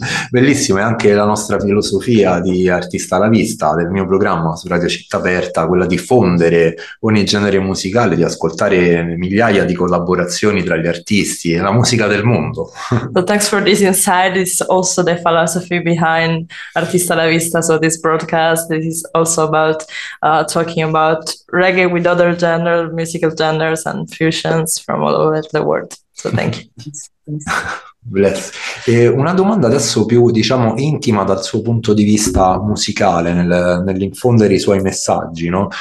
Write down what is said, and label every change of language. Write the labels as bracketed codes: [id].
[it] Bellissima è anche la nostra filosofia di Artista alla Vista del mio programma su Radio Città Aperta, quella di fondere ogni genere musicale, di ascoltare migliaia di collaborazioni tra gli artisti e la musica del mondo. [en] So thanks for this insight. It's also the philosophy behind Artista alla Vista. So this broadcast, this is also about talking about reggae with other genre, musical genres and fusions from all over the world. So thank you. [it] Una domanda adesso più, diciamo, intima dal suo punto di vista musicale, nell'infondere i suoi messaggi, no?